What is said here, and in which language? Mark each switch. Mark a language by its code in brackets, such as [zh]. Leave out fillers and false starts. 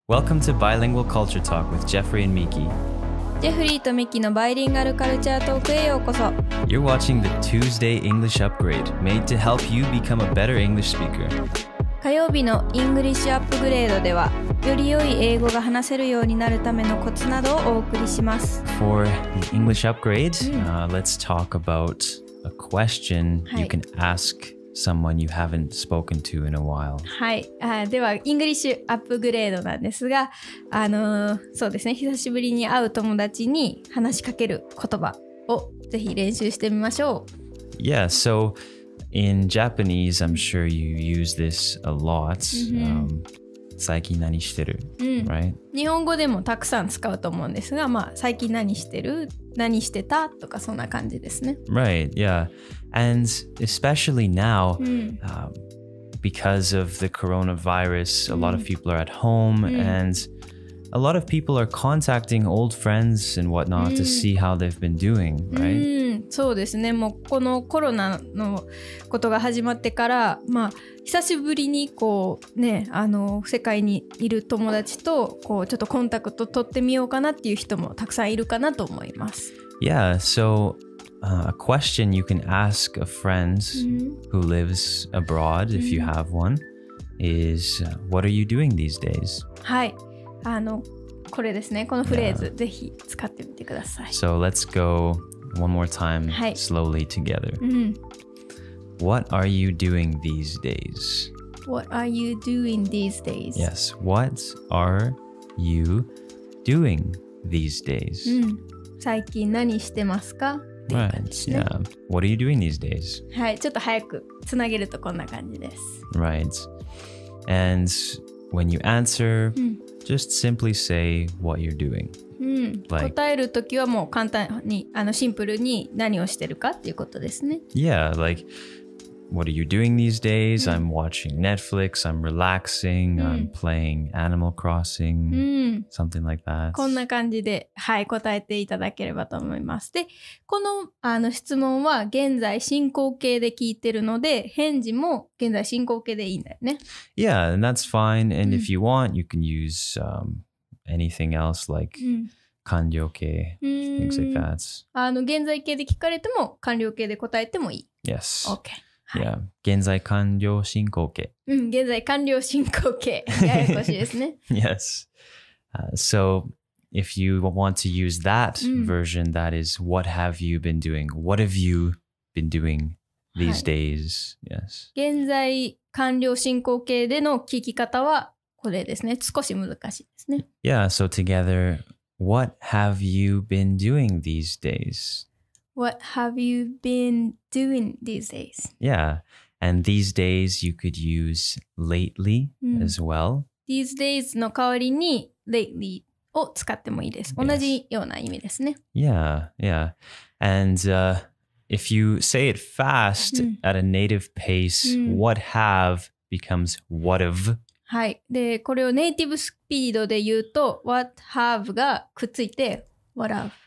[en] Welcome to Bilingual Culture Talk with Jeffrey and Miki. [ja] Jeffrey and Miki の Bilingual Culture Talk へようこそ。 [en] You're watching the Tuesday English Upgrade, made to help you become a better English speaker. [ja] 火曜日の English Upgrade では、より良い英語が話せるようになるためのコツなどをお送りします。 [en] For the English Upgrade,、let's talk about a question、you can askSomeone you haven't spoken to in a while. [ja] はい。では、English Upgrade なんですが、そうですね。久しぶりに会う友達に話しかける言葉をぜひ練習してみましょう。 [en] Yeah, so in Japanese, I'm sure you use this a lot. [ja] 最近何してる、right? 日本語でもたくさん使うと思うんですが、まあ、最近何してる何してたとかそんな感じですね。 [en] Right, yeah. And especially now,、because of the coronavirus,、a lot of people are at home、and a lot of people are contacting old friends and whatnot、to see how they've been doing, right? [ja] そうですね。もうこのコロナのことが始まってから、まあ、久しぶりにこう、ね、あの世界にいる友達とこうちょっとコンタクト取ってみようかなっていう人もたくさんいるかなと思います。 [en] Yeah, so... A question you can ask a friend、who lives abroad, if you have one, is what are you doing these days? [ja] はい、あの、これですね、このフレーズ、ぜひ使ってみてください。 [en] So let's go one more time、slowly together.、What are you doing these days? What are you doing these days? Yes, what are you doing these days?、 [ja] 最近何してますか? [en] Right, yeah. What are you doing these days? [ja] はい、ちょっと早くつなげるとこんな感じです。 [en] Right. And when you answer,、just simply say what you're doing.、 [ja] 答えるときはもう簡単に、あのシンプルに何をしてるかっていうことですね。 [en] Yeah, like, what are you doing these days?、I'm watching Netflix, I'm relaxing,、I'm playing Animal Crossing,、something like that. [ja] こんな感じで、はい、答えていただければと思います。で、この、あの質問は現在進行形で聞いてるので、返事も現在進行形でいいんだよね。 [en] Yeah, and that's fine. And、if you want, you can use、anything else like...、完了形、things like that. [ja] あの現在形で聞かれても、完了形で答えてもいい。 [en] Yes. Okay. Yeah, 現在完了進行形。 [ja] 現在完了進行形。ややこしいですね。 [en] Yes.、So, if you want to use that、version, that is, what have you been doing? What have you been doing these、days? Yes. [ja] 現在完了進行形での聞き方はこれですね。少し難しいですね。 [en] Yeah, so together, what have you been doing these days? What have you been doing these days? Yeah, and these days you could use lately、as well. [ja] These days の代わりに lately を使ってもいいです。 [en] Yes. [ja] 同じような意味ですね。 [en] Yeah, yeah. And、if you say it fast、at a native pace,、what have becomes what of. [ja] はい。で、これをネイティブスピードで言うと what have がくっついて what of.